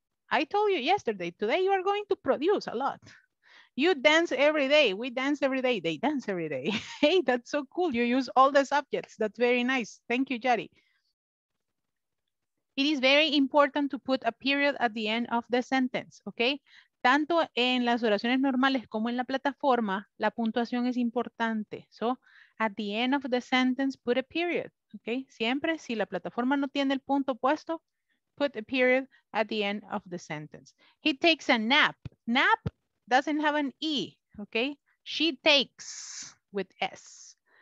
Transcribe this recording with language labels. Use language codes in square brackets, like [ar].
[en] I told you yesterday, today you are going to produce a lot. You dance every day. We dance every day. They dance every day. Hey, that's so cool. You use all the subjects. That's very nice. Thank you, Jari. It is very important to put a period at the end of the sentence, okay? [es] Tanto en las oraciones normales como en la plataforma, la puntuación es importante. [en] So, at the end of the sentence, put a period. Okay, [es] siempre si la plataforma no tiene el punto puesto, [en] put a period at the end of the sentence. He takes a nap. Nap doesn't have an E, okay? She takes with S.